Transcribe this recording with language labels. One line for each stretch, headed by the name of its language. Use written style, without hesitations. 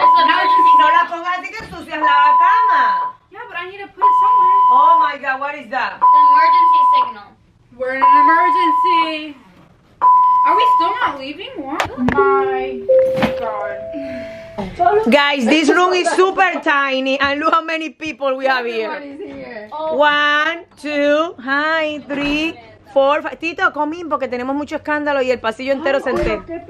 Spanish: No, si no la pongas así que ensucias la cama.
English: Yeah, but I need to put it somewhere. Oh my God, what is that? The emergency signal. We're in an emergency. Are we still not leaving? What? My God. Guys, this room is super tiny. And look how many people we have here. Everyone is here. Oh, one, two, hi, three. Four, five.
Spanish: Tito,
English: come in,
Spanish: porque tenemos mucho escándalo y el pasillo entero se entera.